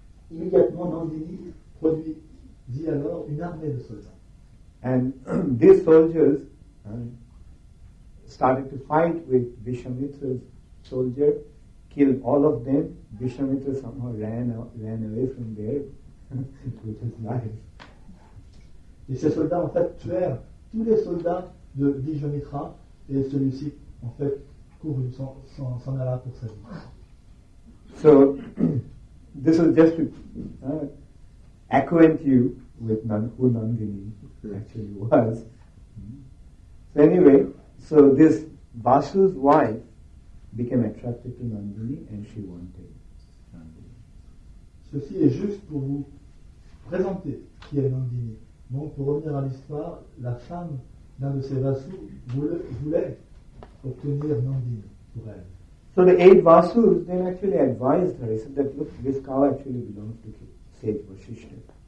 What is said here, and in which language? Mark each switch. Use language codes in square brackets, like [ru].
[fr] Immédiatement Nandini produisit alors une armée de soldats. [en] And these soldiers started to fight with Vishwamitra's soldier, killed all of them. Vishwamitra somehow ran away from there with his life. [fr] Et ces soldats en fait tuèrent tous les soldats de Vishwamitra et celui-ci en fait courut s'en alla pour sa vie. [en] So this is just to acquaint you with who Nandini actually was. So anyway, so this Vasu's wife became attracted to Nandini and she wanted Nandini. [fr] Ceci est juste pour vous présenter qui est Nandini. Donc pour revenir à l'histoire, la femme d'un de ces Vasus voulait obtenir Nandini pour elle. [en] So the eight Vasus then actually advised her. They said that look, this cow actually belongs to sage Vasishtha.